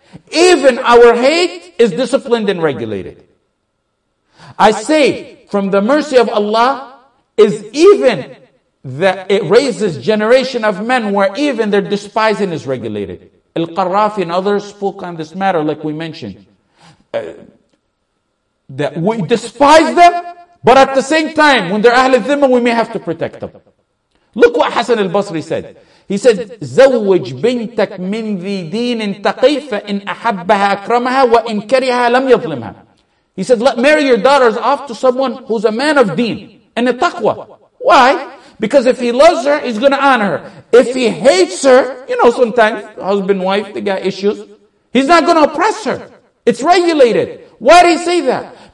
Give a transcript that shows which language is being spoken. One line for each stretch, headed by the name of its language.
English: Even our hate is disciplined and regulated. I say, from the mercy of Allah, is even that it raises generation of men where even their despising is regulated. Al-Qarrafi and others spoke on this matter, like we mentioned. That we despise them, but at the same time, when they're Ahl al-Dhimma, we may have to protect them. Look what Hassan al-Basri said. He said,
Arabic: زوج بنتك من ذي دين تقي فإن أحبها أكرمها وإن كرهها لم يظلمها.
English: He said, let marry your daughters off to someone who's a man of deen and a taqwa. Why? Because if he loves her, he's going to honor her. If he hates her, you know, sometimes husband, wife, they got issues. He's not going to oppress her. It's regulated. Why did he say that?